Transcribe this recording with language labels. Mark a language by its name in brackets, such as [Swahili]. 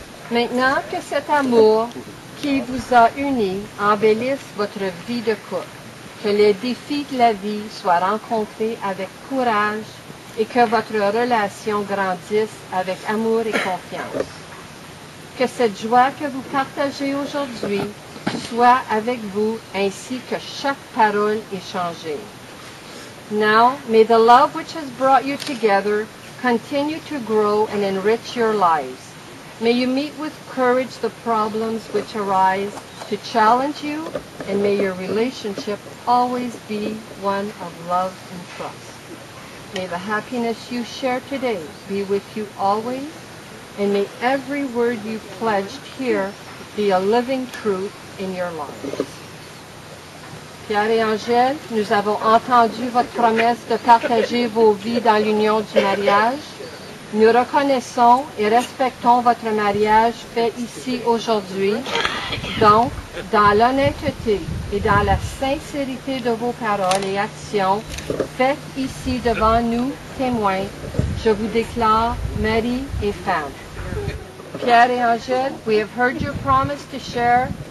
[French] Maintenant que cet amour qui vous a uni embellisse votre vie de couple, que les défis de la vie soient rencontrés avec courage et que votre relation grandisse avec amour et confiance. Que cette joie que vous partagez aujourd'hui soit avec vous ainsi que chaque parole échangée. [English] Now, may the love which has brought you together continue to grow and enrich your lives. May you meet with courage the problems which arise to challenge you, and may your relationship always be one of love and trust. May the happiness you share today be with you always, and may every word you pledged here be a living truth in your lives. [French] Pierre et Angèle, nous avons entendu votre promesse de partager vos vies dans l'union du mariage. Nous reconnaissons et respectons votre mariage fait ici aujourd'hui. Donc, dans l'honnêteté et dans la sincérité de vos paroles et actions, faites ici devant nous témoins, je vous déclare mari et femme. [English] Pierre et Angèle, we have heard your promise to share.